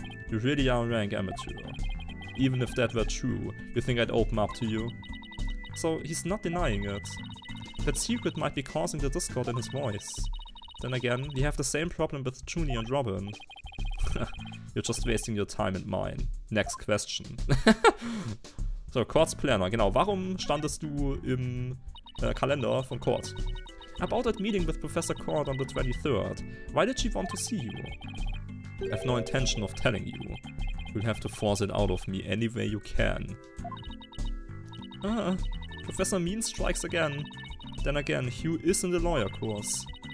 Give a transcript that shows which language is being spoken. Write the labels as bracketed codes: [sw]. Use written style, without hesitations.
[en] You really are a rank amateur. Even if that were true, you think I'd open up to you? So, he's not denying it. That secret might be causing the discord in his voice. Then again, we have the same problem with Juni and Robin. You're just wasting your time and mine. Next question. So, Courts Planner. [de] Genau, warum standest du im Kalender von Court? [en] About that meeting with Professor Court on the 23rd, why did she want to see you? I have no intention of telling you. You'll have to force it out of me any way you can. Ah, Professor Mean strikes again. Then again, Hugh is in the lawyer course.